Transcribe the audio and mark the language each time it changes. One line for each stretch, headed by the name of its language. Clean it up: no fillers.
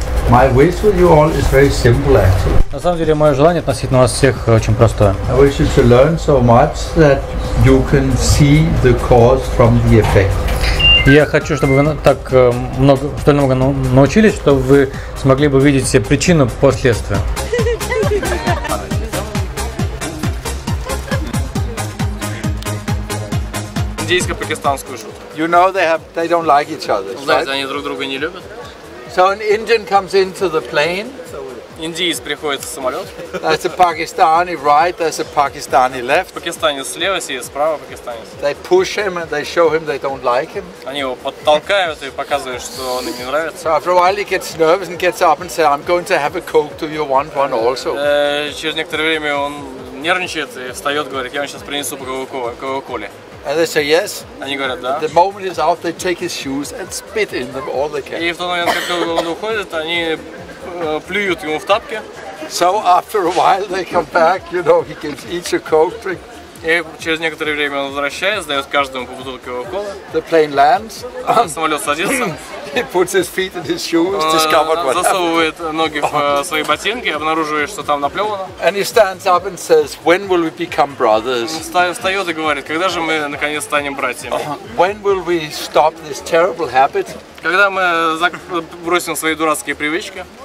English: My wish with you all is very simple, actually.
Russian: На самом деле, мое желание относительно вас всех очень простое.
English: I wish you to learn so much that you can see the cause from the effect.
Russian: Я хочу, чтобы вы так много, столь много научились, чтобы вы смогли бы видеть причину последствия. Индийско-пакистанскую шутку.
English: You know they don't like each other.
Russian: Знаете, они друг друга не любят.
English: So an Indian comes into the plane.
Russian: Индиец приходит в самолет.
English: There's a Pakistani right, there's a Pakistani left.
Russian: Пакистанец слева сидит, справа пакистанец.
English: They push him and they show him they don't like him.
Russian: Они его подтолкают и показывают, что он им не нравится.
English: So after a while he gets nervous and gets up and says, I'm going to have a Coke, do you want one also?
Russian: Через некоторое время он нервничает и встает, говорит, я вам сейчас принесу по Кока-Коле.
English: And they say yes.
Russian: Они говорят да.
English: The moment he's out, they take his shoes and spit in them all they can.
Russian: И в тот момент, как он уходит, они плюют ему в тапки.
English: So after a while they come back, you know, he gives each a Coke drink.
Russian: И через некоторое время он возвращается, дает каждому по бутылке кока-колы.
English: The plane lands.
Russian: Самолет садится.
English: He puts his feet in his shoes, discovered what happened.
Russian: Засовывает ноги в свои ботинки, обнаруживает, что там наплевано.
English: And he stands up and says, when will we become brothers?
Russian: Встает и говорит, когда же мы наконец станем братьями?
English: When will we stop this terrible habit?
Russian: Когда мы бросим свои дурацкие привычки?